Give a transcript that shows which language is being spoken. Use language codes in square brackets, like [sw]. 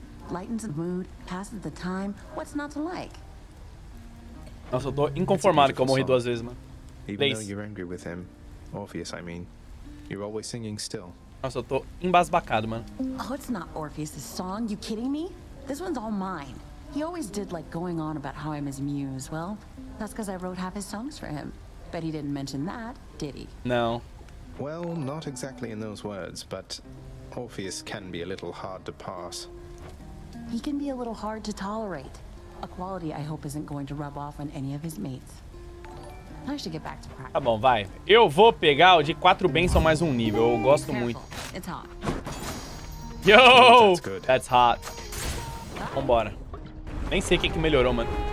[en] Lightens the mood, passes the time. What's not to like? [pt] Nossa, eu tô inconformado que eu morri duas vezes, mano. [en] Even though you're angry with him, Orpheus, I mean, you're always singing still. [pt] Nossa, eu tô embasbacado, mano. [en] Oh, it's not Orpheus' song. You kidding me? This one's all mine. He always did like going on about how I'm his muse. Well, that's because I wrote half his songs for him. But he didn't mention that, did he? No. Well, not exactly in those words, but Orpheus can be a little hard to pass. He can be a little hard to tolerate. A quality I hope isn't going to rub off on any of his mates. I should get back to practice. [pt] Tá bom, vai. Eu vou pegar o de 4 bênçãos mais um nível. Eu gosto [en] Careful. [pt] Muito. [en] It's hot. Yo! That's good. That's hot. [pt] Vambora. Nem sei o que, que melhorou, mano.